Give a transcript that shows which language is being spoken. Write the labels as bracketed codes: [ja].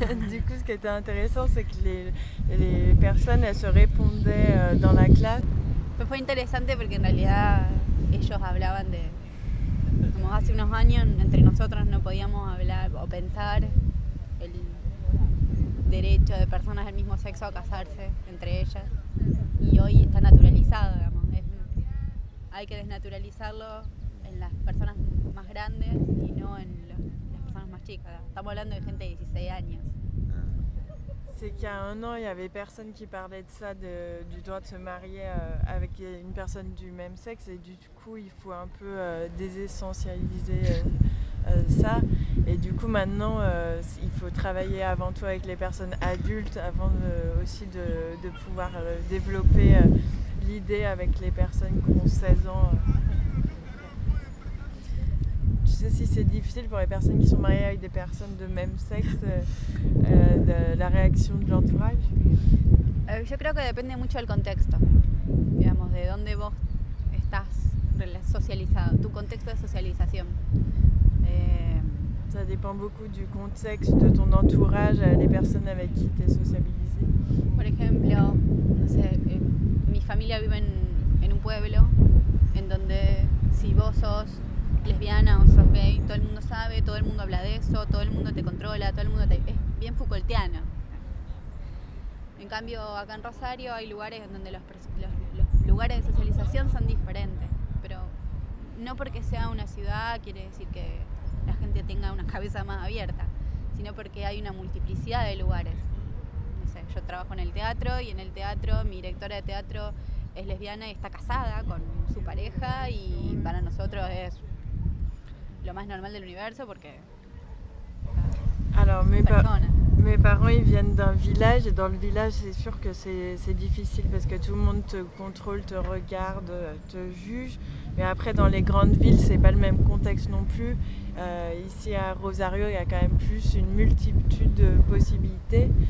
[fr] Du coup, ce qui était intéressant, c'est que les personnes elles se répondaient dans la classe. [es] Pero fue interesante porque en realidad ellos hablaban de, como hace unos años, entre nosotros no podíamos hablar o pensar el derecho de personas del mismo sexo a casarse entre ellas. Y hoy está naturalizado, digamos. Hay que desnaturalizarlo en las personas más grandes y no en las personas más chicas. Estamos hablando de gente de 16 años. [fr] C'est qu'il y a un an, il n'y avait personne qui parlait de ça, du droit de se marier avec une personne du même sexe. Et du coup, il faut un peu désessentialiser ça. Et du coup, maintenant, il faut travailler avant tout avec les personnes adultes avant de pouvoir développer l'idée avec les personnes qui ont 16 ans. Je sais si c'est difficile pour les personnes qui sont mariées avec des personnes de même sexe, de la réaction de l'entourage. Je crois que ça dépend beaucoup du contexte, [es] digamos, de dónde [fr] vous estás socialisé, ton contexte de socialisation. Ça dépend beaucoup du contexte de ton entourage, les personnes avec qui tu es socialisé. Par exemple, [es] no sé, mi familia vive en un pueblo, en donde si vos sos lesbiana o sos gay, todo el mundo sabe, todo el mundo habla de eso, todo el mundo te controla, todo el mundo te... Es bien foucaultiano. En cambio, acá en Rosario hay lugares en donde los lugares de socialización son diferentes. Pero no porque sea una ciudad quiere decir que la gente tenga una cabeza más abierta, sino porque hay una multiplicidad de lugares. No sé, yo trabajo en el teatro y en el teatro mi directora de teatro es lesbiana y está casada con su pareja y para nosotros es... lo más normal del universo porque [fr] alors mes parents ils viennent d'un village et dans le village c'est sûr que c'est difficile parce que tout le monde te contrôle, te regarde, te juge, mais après dans les grandes villes c'est pas le même contexte non plus. Ici à Rosario il y a quand même plus une multitude de possibilités.